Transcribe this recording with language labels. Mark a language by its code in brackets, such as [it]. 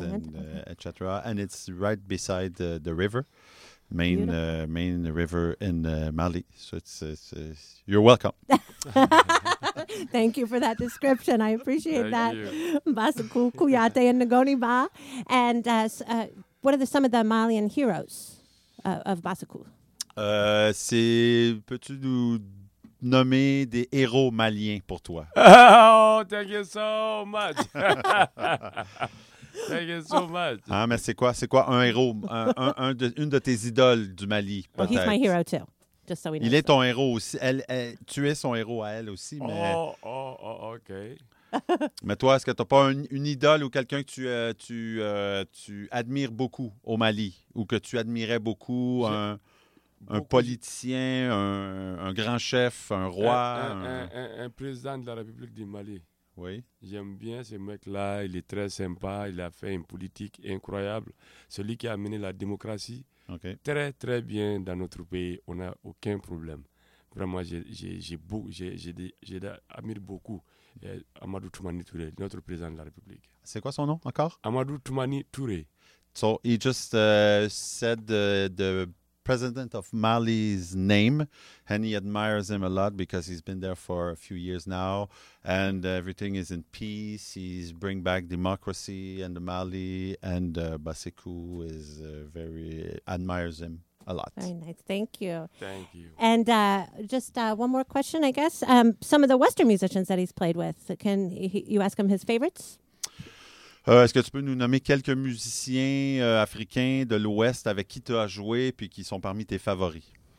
[en] And etc. And it's right beside the river, main river in Mali. So it's you're welcome. Thank you for that description. I appreciate that. Basaku Kuyate and Ngoni Ba. And what are some of the Malian heroes of Basaku? [fr] Peux-tu nous nommer des héros maliens pour toi? [en] Oh, thank you so much. Thank you so much. [fr] Ah, mais c'est quoi un héros? Une de tes idoles du Mali, peut-être. [en] Well, he's my hero too, just so we know. [fr] Il est ton héros aussi. Tu es son héros à elle aussi, mais... [en] Oh, OK. [fr] Mais toi, est-ce que tu n'as pas une idole ou quelqu'un que tu admires beaucoup au Mali ou que tu admirais beaucoup, un politicien, un grand chef, un roi? Un président de la République du Mali. Oui. J'aime bien ce mec-là, il est très sympa, il a fait une politique incroyable. Celui qui a amené la démocratie très, très bien dans notre pays, on n'a aucun problème. Vraiment, j'admire beaucoup. Amadou Toumani Touré, notre président de la République. C'est quoi son nom encore? Amadou Toumani Touré. [en] So he just said the president of Mali's name, and he admires him a lot because he's been there for a few years now, and everything is in peace. He's bring back democracy and the Mali, and Basaku is very admires him. A lot. Very nice. Thank you. Thank you. And one more question, I guess. Some of the Western musicians that he's played with, can you ask him his favorites? [fr] Est-ce que tu peux nous nommer quelques musiciens africains de l'Ouest avec qui tu as joué puis qui sont parmi tes favoris?